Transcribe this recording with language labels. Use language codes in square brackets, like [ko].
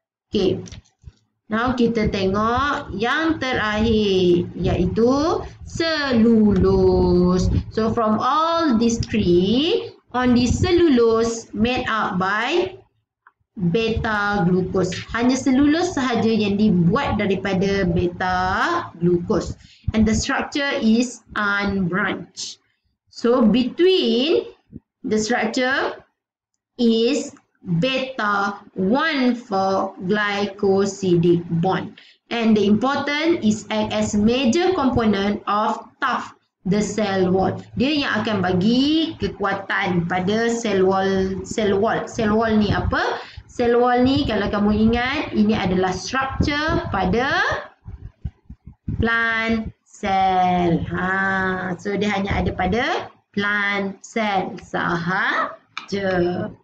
[ms] Okay, now kita tengok yang terakhir, iaitu selulose. [en] So from all these three, on the selulose made up by beta glucose. [ms] Hanya selulose sahaja yang dibuat daripada beta glucose. [en] And the structure is unbranched. So between the structure is beta 1,4 glycosidic bond, and the important is as major component of tough the cell wall. [ms] Dia yang akan bagi kekuatan pada cell wall ni. Apa cell wall ni? Kalau kamu ingat, ini adalah structure pada plant cell. So dia hanya ada pada plant cell sahaja.